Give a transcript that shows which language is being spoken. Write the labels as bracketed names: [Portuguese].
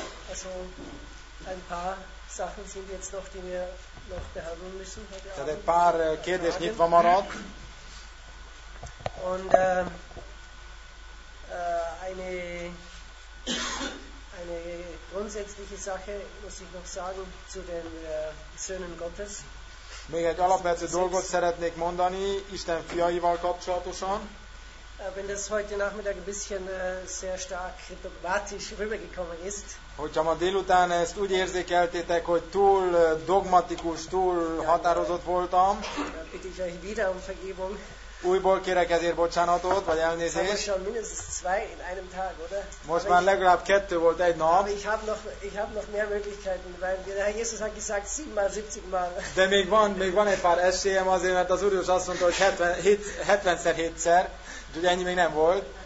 [German] Also ein paar Sachen sind jetzt noch, die wir noch behandeln müssen heute Abend. Ein paar geht es nicht, wenn man rot. Und eine grundsätzliche Sache muss ich noch sagen zu den Söhnen Gottes. [Hungarian] Még egy alapvető dolgot szeretnék mondani Isten fiaival kapcsolatosan. [German] Wenn das heute Nachmittag ein bisschen sehr stark dogmatisch rübergekommen ist. [Hungarian] Hogyha ma délután ezt úgy érzékeltétek, hogy túl dogmatikus, túl határozott voltam. [German] Bitte ich wieder um Vergebung. [Hungarian] Újból kérek ezért bocsánatot, vagy elnézést. [German] Schon mindestens zwei in einem Tag, oder? [Hungarian] Most már legalább kettő volt egy nap. [German] Ich hab noch mehr Möglichkeiten, weil der Herr Jesus hat gesagt 7-mal, 70-mal. [Hungarian] De még van egy pár esélyem azért, mert az Úr Jézus azt mondta, hogy 70-szer, 7-szer, ugye ennyi még nem volt.